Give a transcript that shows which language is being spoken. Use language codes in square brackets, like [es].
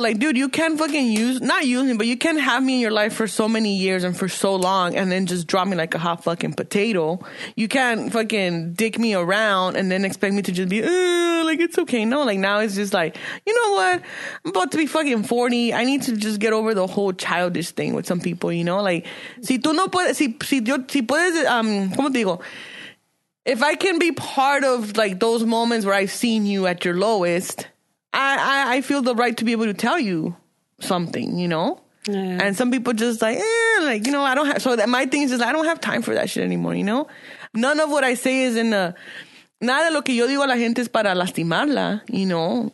[en] Like, dude, you can't fucking but you can't have me in your life for so many years and for so long and then just drop me like a hot fucking potato. You can't fucking dick me around and then expect me to just be, like, it's okay. No, like, now it's just like, you know what? I'm about to be fucking 40. I need to just get over the whole childish thing with some people, you know? [es] Like, si tú no puedes, si puedes, ¿cómo te digo? [en] If I can be part of, like, those moments where I've seen you at your lowest, I feel the right to be able to tell you something, you know? Yeah. And some people just like, like, you know, I don't have, so that my thing is just, I don't have time for that shit anymore, you know? None of what I say is in a, [es] nada lo que yo digo a la gente es para lastimarla, [en] you know?